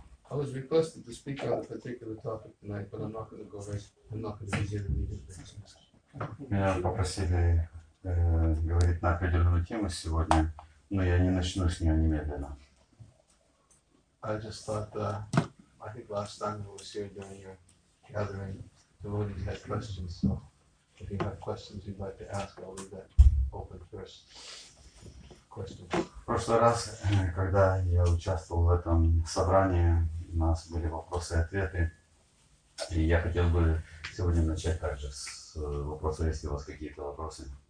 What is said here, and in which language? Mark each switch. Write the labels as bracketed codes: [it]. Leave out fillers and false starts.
[en] I was requested to speak on a particular topic tonight, but I'm not going to go right. I'm not going to be here immediately. [ru] Меня попросили говорить на определенную тему сегодня, но я не начну с нее немедленно. [en] I just thought I think last time we were here during your gathering, the devotees had questions. So if you have questions you'd like to ask, I'll leave that open first. Questions. [ru] В прошлый раз, когда я участвовал в этом собрании, у нас были вопросы и ответы, и я хотел бы сегодня начать также с вопроса, если у вас какие-то вопросы.